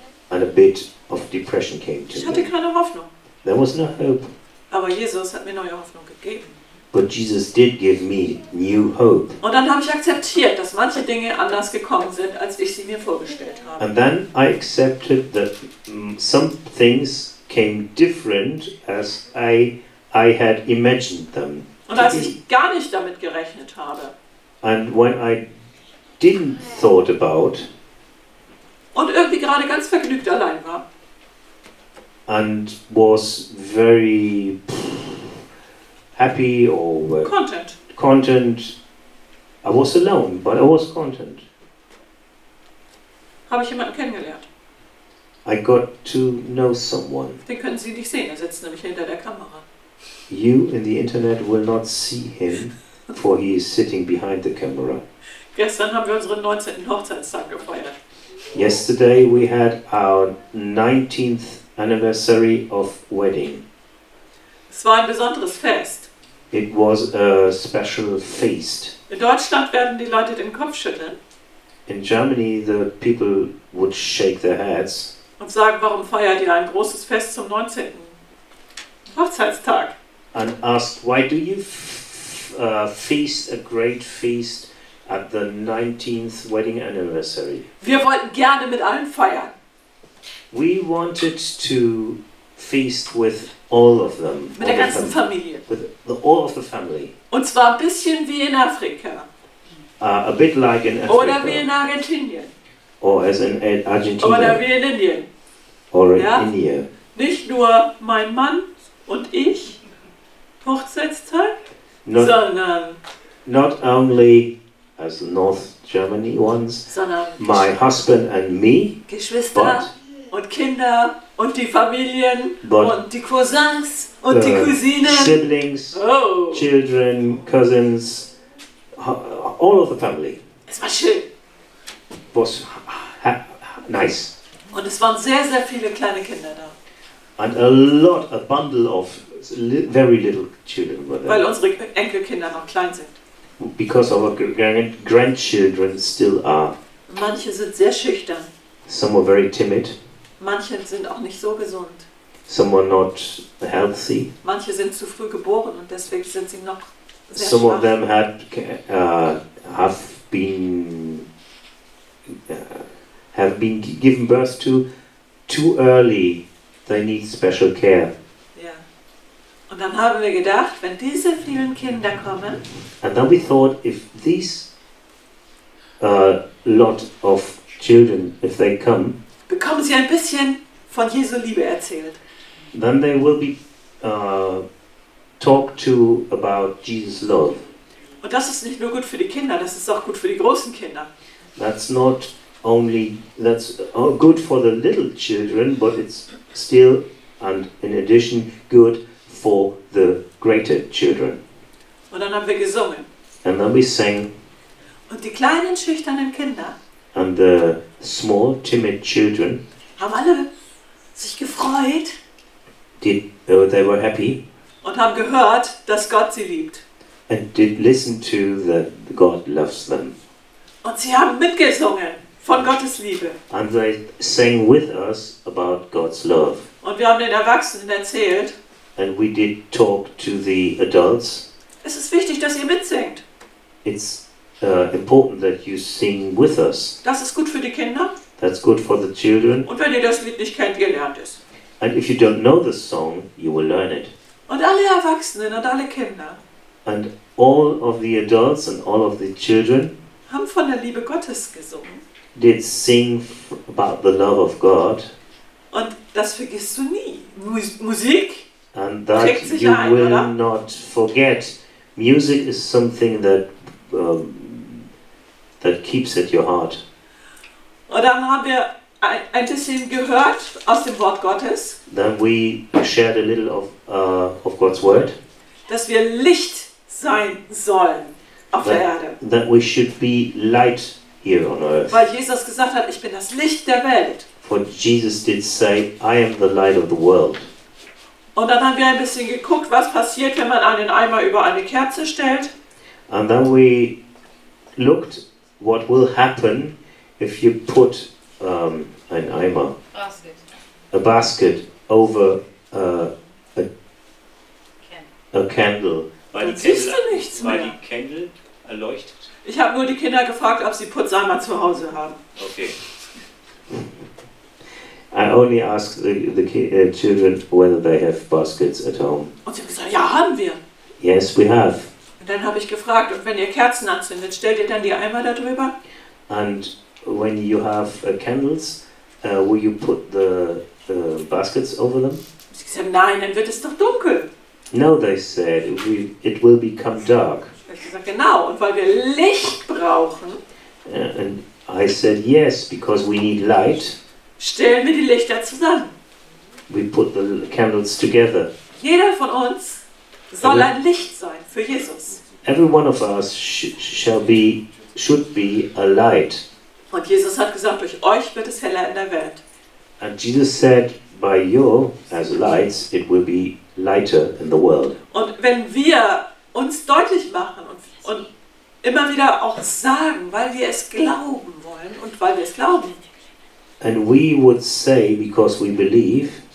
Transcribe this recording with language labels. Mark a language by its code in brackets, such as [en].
[en] And a bit of depression came to me. [de] Ich hatte keine Hoffnung. [en] There was no hope. [de] Aber Jesus hat mir neue Hoffnung gegeben. [en] But Jesus did give me new hope. [de] Und dann habe ich akzeptiert, dass manche Dinge anders gekommen sind, als ich sie mir vorgestellt habe. [en] And then I accepted that some things came different as I had imagined them. [de] Und als ich gar nicht damit gerechnet habe. [en] And when I didn't thought about. [de] Und irgendwie gerade ganz vergnügt allein war. [en] And was very happy or content. Content. I was alone, but I was content. [de] Habe ich jemanden kennengelernt? [en] I got to know someone. [de] Den können Sie nicht sehen, er sitzt nämlich hinter der Kamera. [en] You in the internet will not see him, for he is sitting behind the camera. [de] Gestern haben wir unseren 19. Hochzeitstag gefeiert. [en] Yesterday we had our 19th anniversary of wedding. [de] Es war ein besonderes Fest. [en] It was a special feast. [de] In Deutschland werden die Leute den Kopf schütteln. [en] In Germany the people would shake their heads. [de] Und sagen, warum feiert ihr ein großes Fest zum 19. Hochzeitstag? [en] And asked, why do you feast a great feast at the 19th wedding anniversary? [de] Wir wollten gerne mit allen feiern. [en] We wanted to feast with all of them. [de] Mit der ganzen Familie. [en] With all of the family. [de] Und zwar ein bisschen wie in Afrika. [en] A bit like in Africa. [de] Oder wie in Argentinien. [en] Or as in Argentina. [de] Oder wie in Indien. [en] Or in India. [de] Nicht nur mein Mann und ich, Hochzeitstag, not, sondern... [en] Not only as North Germany ones, [de] sondern [en] my husband and me, [de] Geschwister und Kinder und die Familien und die Cousins und die Cousinen. [en] Siblings, children, cousins, all of the family. [de] Es war schön. [en] Was nice. [de] Und es waren sehr, sehr viele kleine Kinder da. [en] And a bundle of very little children were there. [de] Weil unsere Enkelkinder noch klein sind. [en] Because our grandchildren still are. [de] Manche sind sehr schüchtern. [en] Some were very timid. [de] Manche sind auch nicht so gesund. [en] Some were not healthy. [de] Manche sind zu früh geboren und deswegen sind sie noch sehr [en] Some [de] schwach. [en] Of them had have been have been given birth to too early. They need special care. [de] Ja. Und dann haben wir gedacht, wenn diese vielen Kinder kommen. [en] And then we thought, if these lot of children, if they come, [de] bekommen sie ein bisschen von Jesu Liebe erzählt. [en] Then they will be talked to about Jesus' love. [de] Und das ist nicht nur gut für die Kinder, das ist auch gut für die großen Kinder. [en] That's good for the little children, but it's still and in addition good for the greater children. [de] Und dann haben wir gesungen. [en] And then we sang. [de] Und die kleinen schüchternen Kinder. [en] And the small timid children. [de] Haben alle sich gefreut. [en] They were happy. [de] Und haben gehört, dass Gott sie liebt. [en] And did listen to that God loves them. [de] Und sie haben mitgesungen von Gottes Liebe. [en] And they sang with us about God's love. [de] Und wir haben den Erwachsenen erzählt. [en] And we did talk to the adults. [de] Es ist wichtig, dass ihr mitsingt. [en] It's important that you sing with us. [de] Das ist gut für die Kinder. [en] That's good for the children. [de] Und wenn ihr das Lied nicht kennt, ihr lernt es. [en] And if you don't know the song, you will learn it. [de] Und alle Erwachsenen und alle Kinder. [en] And all of the adults and all of the children. [de] Haben von der Liebe Gottes gesungen. [en] Did sing about the love of God. [de] Und das vergisst du nie. Musik. [en] And that [de] trägt sich [en] you [de] ein, [en] will [de] oder? [en] Not forget. Music is something that that keeps at your heart. [de] Und dann haben wir ein bisschen gehört aus dem Wort Gottes. [en] Then we shared a little of God's word. [de] Dass wir Licht sein sollen. [en] That we should be light here on earth. [de] Weil Jesus gesagt hat, ich bin das Licht der Welt. [en] For Jesus did say, I am the light of the world. [de] Und dann haben wir ein bisschen geguckt, was passiert, wenn man einen Eimer über eine Kerze stellt. [en] And then we looked, what will happen if you put [de] ein Eimer, [en] basket. A basket over a candle. [de] Dann siehst du nichts mehr. Weil die Candle erleuchtet. Ich habe nur die Kinder gefragt, ob sie Putzeimer zu Hause haben. [en] Okay. I only asked the children whether they have baskets at home. [de] Und sie haben gesagt, ja, haben wir. [en] Yes, we have. [de] Und dann habe ich gefragt, und wenn ihr Kerzen anzündet, stellt ihr dann die Eimer darüber? [en] And when you have candles, will you put the baskets over them? [de] Sie sagen, nein, dann wird es doch dunkel. [en] No, they said, it will become dark. [de] Ich sagte, genau, und weil wir Licht brauchen. [en] And I said, yes, because we need light. [de] Stellen wir die Lichter zusammen. [en] We put the candles together. [de] Jeder von uns soll ein Licht sein für Jesus. [en] Every one of us should be a light. [de] Und Jesus hat gesagt, durch euch wird es heller in der Welt. [en] And Jesus said, by you as lights, it will be lighter in the world. [de] Und wenn wir uns deutlich machen und immer wieder auch sagen, weil wir es glauben wollen und weil wir es glauben. [en] And we would say, because we believe.